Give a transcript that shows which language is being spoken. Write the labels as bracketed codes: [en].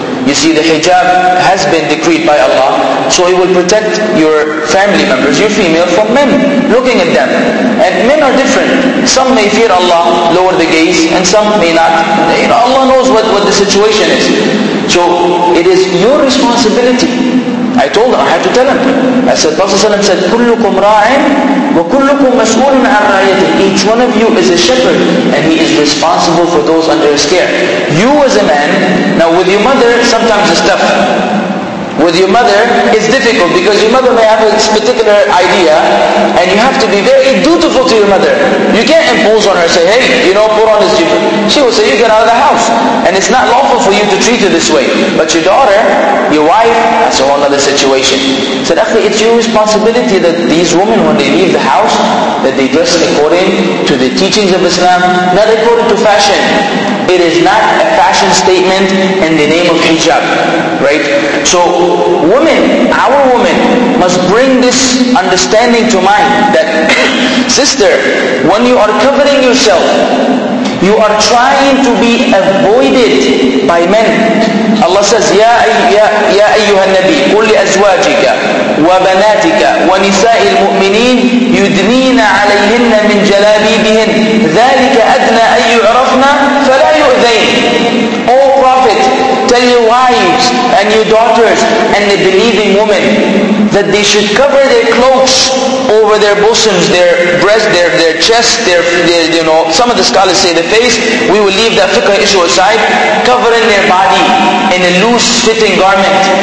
[en] You see, the hijab has been decreed by Allah, so it will protect your family members, your female, from men looking at them. And men are different. Some may fear Allah, lower the gaze, and some may not. You know, Allah knows what the situation is. So it is your responsibility. I told him, I had to tell him. I said, Prophet ﷺ said, [ar] كُلُّكُمْ رَاعٍ وَكُلُّكُمْ مَسْئُولٌ عَنْ رَعِيَتِهِ. [en] Each one of you is a shepherd, and he is responsible for those under his care. You as a man, now with your mother, sometimes it's tough. With your mother, it's difficult, because your mother may have this particular idea, and you have to be very dutiful to your mother. You can't impose on her, say, hey, you know, put on this jib. She will say, you get out of the house. And it's not lawful for you to treat her this way. But your daughter, your wife, that's a whole other situation. Said, actually, it's your responsibility that these women, when they leave the house, that they dress according to the teachings of Islam, not according to fashion. It is not a fashion statement in the name of hijab, right? So women, our women, must bring this understanding to mind that, sister, when you are covering yourself, you are trying to be avoided by men. Allah says, [ar] Ya ayyuha nabi, قُلْ لِأَزْوَاجِكَ وَبَنَاتِكَ وَنِسَاءِ الْمُؤْمِنِينَ يُدْنِينَ عَلَيْهِنَّ مِنْ جَلَابِيبِهِنْ ذَلِكَ أَدْنَى أَيُّ عَرَفْنَا فَلَا يُؤْذَيْنَ. [en] O Prophet, tell your wives and your daughters and the believing women, that they should cover their cloaks over their bosoms, their breast, their chest, their you know, some of the scholars say the face. We will leave that fiqh issue aside. Covering their body in a loose fitting garment.